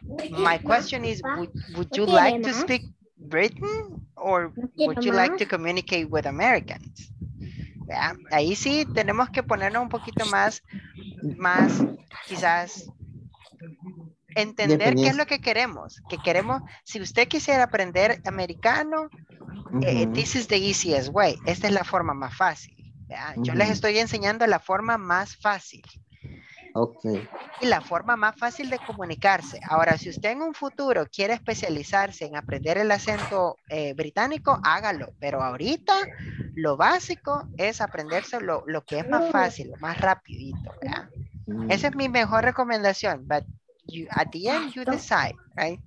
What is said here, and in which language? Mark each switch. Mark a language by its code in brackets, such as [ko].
[en] My question is, would you like to speak Britain? Or would you like to communicate with Americans? [es] ¿Ya? Ahí sí tenemos que ponernos un poquito más quizás entender qué es lo que queremos. Que queremos, si usted quisiera aprender americano, this is the easiest way. Esta es la forma más fácil. ¿Ya? Yo les estoy enseñando la forma más fácil. [en] Okay. [es] Y la forma más fácil de comunicarse. Ahora, si usted en un futuro quiere especializarse en aprender el acento británico, hágalo. Pero ahorita, lo básico es aprenderse lo que es más fácil, lo más rapidito, ¿verdad? Esa es mi mejor recomendación. [en] But you, at the end, you decide, right?